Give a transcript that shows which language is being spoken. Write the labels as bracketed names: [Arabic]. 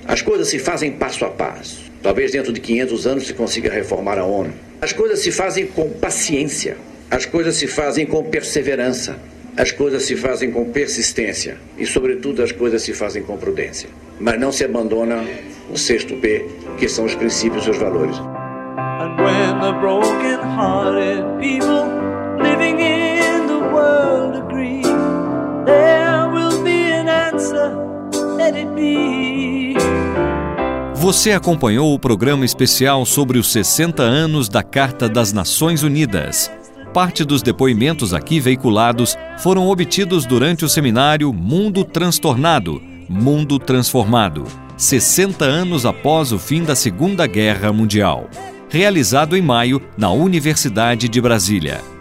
[Portuguese] As coisas se fazem passo a passo. Talvez dentro de 500 anos se consiga reformar a ONU. As coisas se fazem com paciência. As coisas se fazem com perseverança. As coisas se fazem com persistência. E, sobretudo, as coisas se fazem com prudência. Mas não se abandona o 6º P, que são os princípios e os valores. [English] And when the broken-hearted people living in the world agree, there will be an answer, let it be. [Portuguese] Você acompanhou o programa especial sobre os 60 anos da Carta das Nações Unidas. Parte dos depoimentos aqui veiculados foram obtidos durante o seminário Mundo Transtornado, Mundo Transformado, 60 anos após o fim da Segunda Guerra Mundial, realizado em maio na Universidade de Brasília.